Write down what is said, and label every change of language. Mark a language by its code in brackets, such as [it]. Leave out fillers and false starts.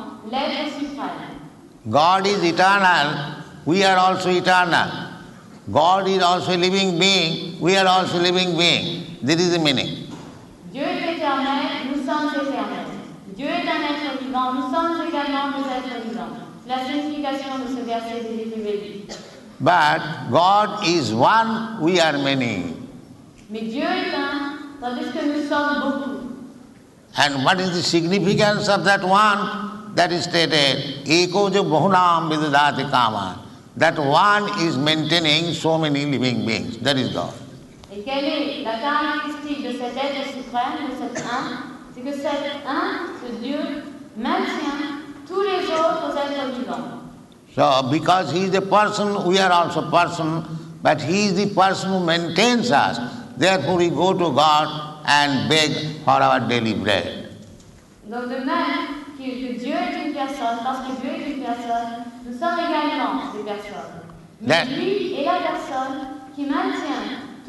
[en] God is eternal, we are also eternal. God is also a living being, we are also a living being. This is the meaning. [fr] Dieu est éternel, nous sommes éternels. Dieu est un être vivant, nous sommes également des êtres vivants. La signification de ce verset est du Vedic. [en] But God is one, we are many. [fr] Mais Dieu est un, tandis que nous sommes beaucoup. [en] And what is the significance of that one? That is stated, [sa] eko jo bahunam vidadati kama. [en] That one is maintaining so many living beings. That is God. [fr] Et quelle est la caractéristique de cet être suprême, de cet un? C'est que cet un, ce Dieu, maintient tous les autres êtres vivants. [en] So, because he is a person, we are also person, but he is the person who maintains us. Therefore, we go to God and beg for our daily bread. [fr] Donc, de même que Dieu est une personne, parce que Dieu est une personne, nous sommes également des personnes. Mais lui est la personne qui maintient